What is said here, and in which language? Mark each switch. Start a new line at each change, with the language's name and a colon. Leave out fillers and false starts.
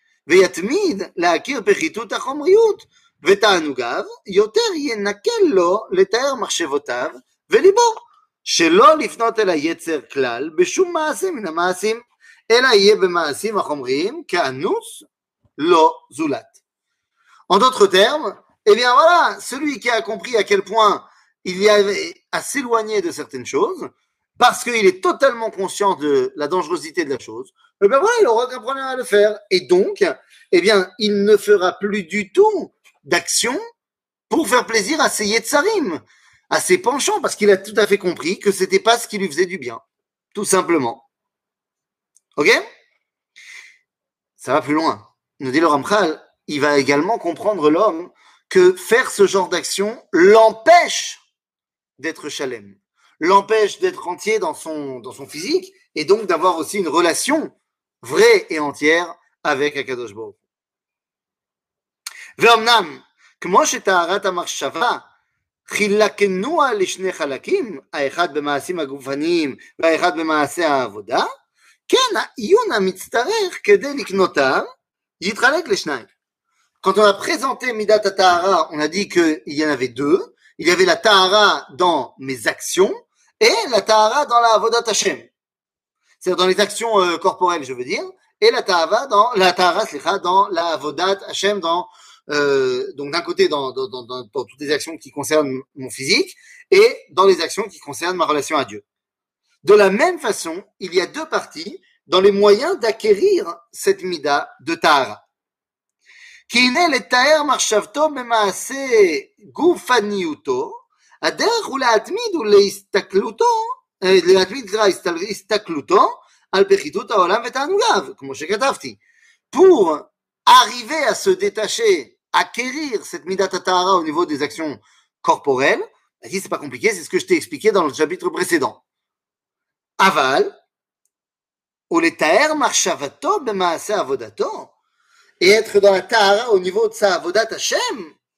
Hebrew: ויתמיד להכיר פחיתות החומריות ותענוגיו יותר ינקל לו לתאר מחשבותיו וליבו שלא לפנות אל היצר כלל בשום מעשה מן המעשים אלא יהיה במעשים החומריים כאנוס לא זולת.
French: En d'autres termes, eh bien voilà, celui qui a compris à quel point il y avait à s'éloigner de certaines choses parce qu'il est totalement conscient de la dangerosité de la chose, eh bien voilà, il n'aura aucun problème à le faire. Et donc, eh bien, il ne fera plus du tout d'action pour faire plaisir à ses yetzarim, à ses penchants, parce qu'il a tout à fait compris que ce n'était pas ce qui lui faisait du bien, tout simplement. Ok ? Ça va plus loin. Nous dit le Ramchal, il va également comprendre l'homme que faire ce genre d'action l'empêche d'être shalem, l'empêche d'être entier dans son physique, et donc d'avoir aussi une relation vraie et entière avec Akadosh Baruch.
Hebrew: ואומנם, כמו שתארת המחשבה, חילקנו על שני חלקים, האחד במעשים הגופניים והאחד במעשה העבודה, כן, העיון המצטרך כדי לקנותם, יתחלק לשניים.
French: Quand on a présenté Midat HaTahara, on a dit qu'il y en avait deux. Il y avait la Tahara dans mes actions et la Tahara dans la Avodat Hashem. C'est-à-dire dans les actions corporelles, je veux dire. Et la Tahara dans la Tahara Slicha dans la Avodat Hashem, dans, donc d'un côté dans toutes les actions qui concernent mon physique et dans les actions qui concernent ma relation à Dieu. De la même façon, il y a deux parties dans les moyens d'acquérir cette Mida de Tahara.
Hebrew: כהנה לתאר מחשבתו במעשה גופניותו, הדרך הוא להתמיד ולהסתכלותו, להתמיד להסתכלותו על פחיתות העולם ותענוגיו, כמו שכתבתי.
French: Pour arriver à se détacher, acquérir cette midat ha-tahara au niveau des actions corporelles, ici c'est pas compliqué, c'est ce que je t'ai expliqué dans le chapitre précédent.
Hebrew: Aval, ou לתאר מחשבתו במעשה עבודתו,
French: et être dans la Tahara au niveau de sa Avodat Hashem.